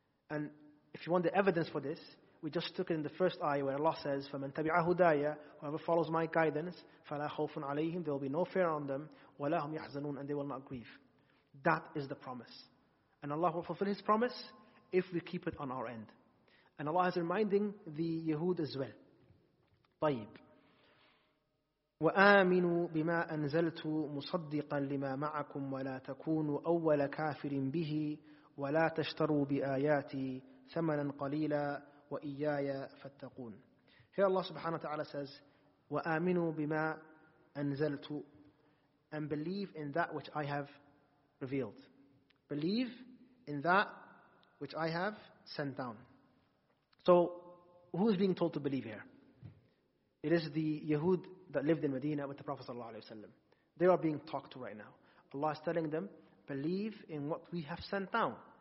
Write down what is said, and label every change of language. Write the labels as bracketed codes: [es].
[en] And if you want the evidence for this, we just took it in the first ayah where Allah says, [ar] فَمَنْ تَبِعَ هُدَايَ [en] whoever follows my guidance, [ar] فَلَا خَوْفٌ عَلَيْهِمْ [en] there will be no fear on them, [ar] وَلَا هُمْ يَحْزَنُونَ [en] and they will not grieve. That is the promise. And Allah will fulfill His promise if we keep it on our end. And Allah is reminding the Yahud as well. [ar] طيب. وَآمِنُوا بِمَا أَنزَلْتُ مُصَدِّقًا لِمَا مَعَكُمْ وَلَا تَكُونُوا أَوَّلَ كَافِرٍ بِهِ وَلَا تَشْتَرُوا بِآيَاتِي ثَمَنًا قَلِيلًا وَإِيَّايَ فَاتَّقُونَ [en] Here Allah subhanahu wa ta'ala says, [ar] وَآمِنُوا بِمَا أَنزَلْتُ [en] and believe in that which I have revealed. Believe in that which I have sent down. So, who is being told to believe here? It is the Yahud that lived in Medina with the Prophet sallallahu alayhi wa sallam. They are being talked to right now. Allah is telling them, believe in what we have sent down.